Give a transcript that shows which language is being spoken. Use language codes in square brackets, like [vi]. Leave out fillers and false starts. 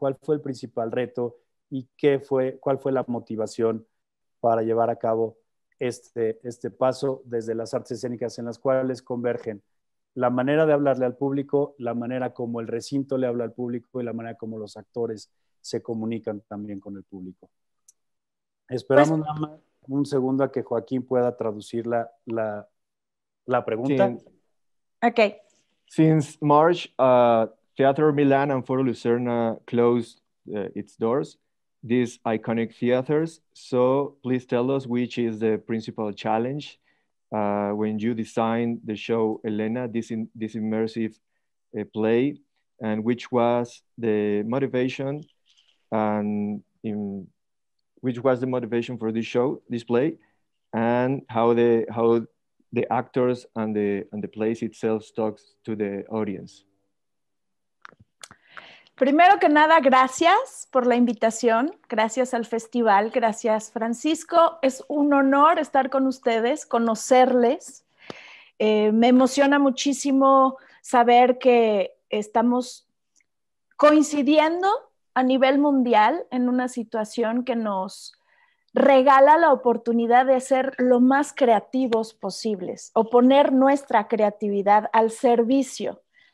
[es] ¿Cuál fue el principal reto y cuál fue la motivación para llevar a cabo este paso desde las artes escénicas en las cuales convergen la manera de hablarle al público, la manera como el recinto le habla al público y la manera como los actores se comunican también con el público? Esperamos nada más un segundo a que Joaquín pueda traducir la pregunta. [en] Okay. Since March, Teatro Milán and Foro Lucerna closed its doors, these iconic theaters. So please tell us which is the principal challenge when you design the show Elena, this immersive play, and which was the motivation for this show, this play, and how the actors and the place itself talks to the audience. [es] Primero que nada, gracias por la invitación, gracias al festival, gracias Francisco. Es un honor estar con ustedes, conocerles. Me emociona muchísimo saber que estamos coincidiendo a nivel mundial en una situación que nos regala la oportunidad de ser lo más creativos posibles o poner nuestra creatividad al servicio.